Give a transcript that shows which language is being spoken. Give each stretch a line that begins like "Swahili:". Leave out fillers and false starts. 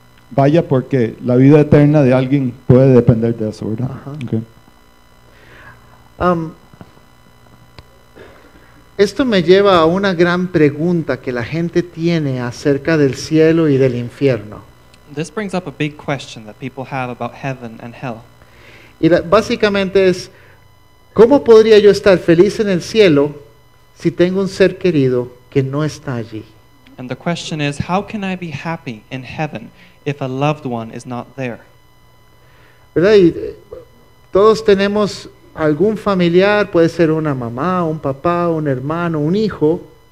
Spanish: Vaya, porque la vida eterna de alguien puede depender de eso, ¿verdad?
English: Uh-huh. Okay.
Spanish: Esto me lleva a una gran pregunta que la gente tiene acerca del cielo y del infierno.
English: This brings up a big question that people have about heaven and hell.
Spanish: Y básicamente es, ¿cómo podría yo estar feliz en el cielo si tengo un ser querido que no está allí?
English: And the question is, how can I be happy in heaven if a loved one is not there?
Spanish: ¿Verdad? Todos tenemos algún familiar, puede ser una mamá, un papá, un hermano, un hijo.